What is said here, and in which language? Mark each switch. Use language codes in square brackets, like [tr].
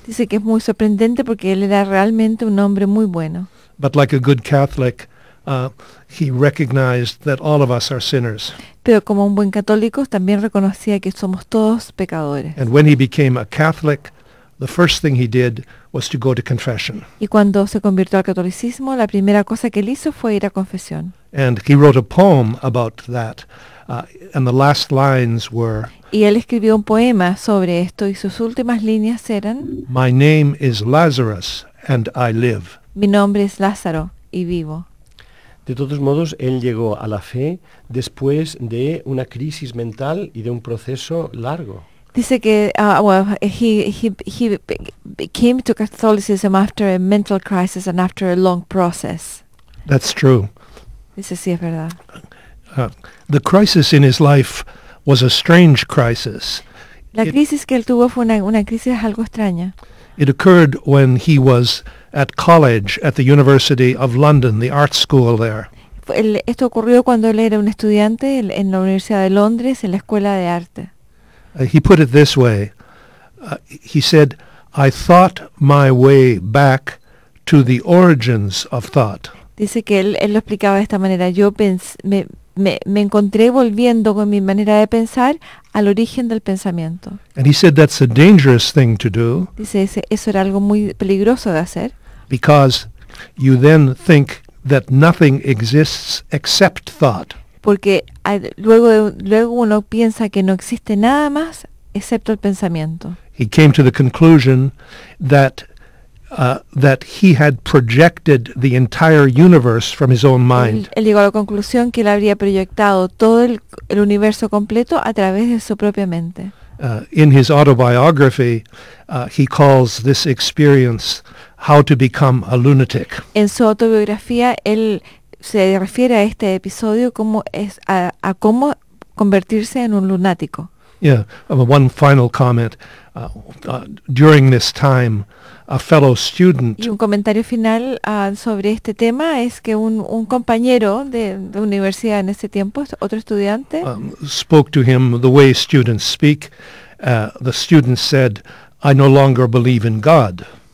[es] Dice que es muy sorprendente porque él era realmente un hombre muy bueno. [en] But like a good Catholic, He recognized that all of us are sinners. [es] Pero como un buen católico, también reconocía que somos todos pecadores. [en] And when he became a Catholic, the first thing he did was to go to confession. [es] Y cuando se convirtió al catolicismo, la primera cosa que él hizo fue ir a confesión. [en] And he wrote a poem about that. And the last lines were, [es] y él escribió un poema sobre esto y sus últimas líneas eran, [en] my name is Lazarus and I live. [es] Mi nombre es Lázaro y vivo. De todos modos, él llegó a la fe después de una crisis mental y de un proceso largo. Dice que [en] he came to Catholicism after a mental crisis and after a long process. That's true. [es] Dice sí, es verdad. [en] The crisis in his life was a strange crisis. [es] La crisis que él tuvo fue una crisis algo extraña. [en] It occurred when he was at college at the University of London, the art school there. [es] Esto ocurrió cuando él era un estudiante en la Universidad de Londres, en la escuela de arte. [en] He put it this way. He said, I thought my way back to the origins of thought. [es] Dice que él lo explicaba de esta manera. Yo me encontré volviendo con mi manera de pensar al origen del pensamiento. [en] And he said that's a dangerous thing to do. [es] Dice, eso era algo muy peligroso de hacer. [en] Because you then think that nothing exists except thought. [es] Porque luego uno piensa que no existe nada más excepto el pensamiento. [en] He came to the conclusion that he had projected the entire universe from his own mind. [es] Él llegó a la conclusión que él habría proyectado todo el universo completo a través de su propia mente. [en] In his autobiography, he calls this experience how to become a lunatic. [es] En su autobiografía, él se refiere a este episodio como a cómo convertirse en un lunático. [en] Yeah, one final comment. During this time, a fellow student. [es] Y un comentario final sobre este tema es que un compañero de universidad en ese tiempo, otro estudiante, [en] spoke to him the way students speak. The student said, "I no longer believe in God."